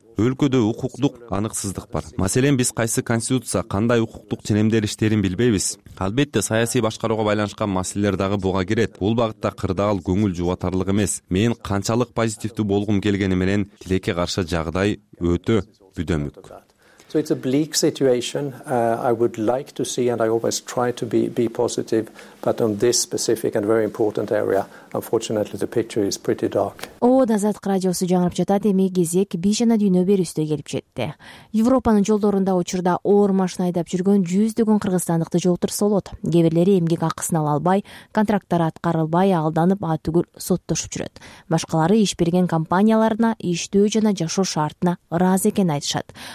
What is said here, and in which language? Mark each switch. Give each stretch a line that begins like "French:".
Kyrgyz: Өлкөдө укуктук аныксыздык бар. Маселен, биз кайсы конституция, кандай укуктук ченемдер иштерин билбейбиз. Албетте, саясий башкарууга байланышкан маселелер дагы буга кирет. Бул багытта кырдаал көңүл жубатарлык эмес. Мен канчалык позитивдүү болгум келгени менен тилекке каршы жагдай өтө бүдөмүк.
English: So it's a bleak situation. I would like to see, and I always try to be positive, but on this specific and very important area, unfortunately, the picture is pretty dark.
Kyrgyz: Ооба Азаттык радиосу жаңырып жатат. Эми кезек бийшана дүйнө берүүстө келип жетти. Европанын жолдорунда учурда оор машина айдап жүргөн жүздөгөн кыргызстандыкты жолтурсолот. Кээ бирлери эмгек акысын ала албай, контракттары аткарылбай, алданып, атүгүл соттошуп жүрөт. Башкалары иш берген компанияларына иштөө жана жашоо шартына ыраазы экенин айтышат.